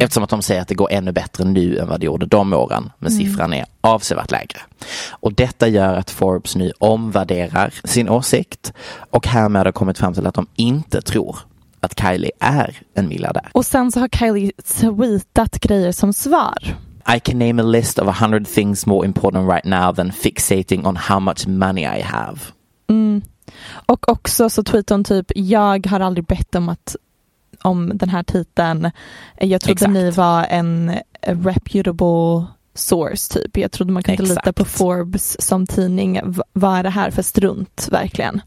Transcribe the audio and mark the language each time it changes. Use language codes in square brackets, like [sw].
[sv] Eftersom att de säger att det går ännu bättre nu än vad det gjorde de åren, men siffran är avsevärt lägre. Och detta gör att Forbes nu omvärderar sin åsikt och härmed har kommit fram till att de inte tror att Kylie är en miljardär. Och sen så har Kylie tweetat grejer som svar. [en] I can name a list of 100 things more important right now than fixating on how much money I have. Mm. [sv] Och också så tweetade hon typ, jag har aldrig bett om att om den här titeln. Jag trodde ni var en [en] reputable source [sv] typ. Jag trodde man kunde lita på Forbes som tidning. Vad är det här för strunt verkligen?